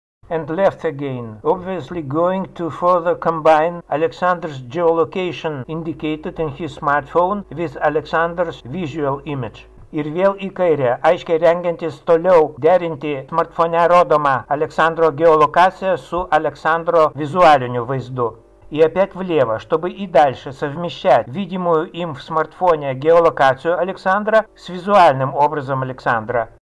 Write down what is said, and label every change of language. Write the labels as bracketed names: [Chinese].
[English] And left again, obviously going to further combine Alexander's geolocation indicated in his smartphone with Alexander's visual image. [Lithuanian] Ir vėl į kairę, aiškiai rengiantis toliau derinti smartfone rodomą Aleksandro geolokaciją su Aleksandro vizualiniu vaizdu. [Russian] И опять влево, чтобы и дальше совмещать видимую им в смартфоне геолокацию Александра с визуальным образом Александра.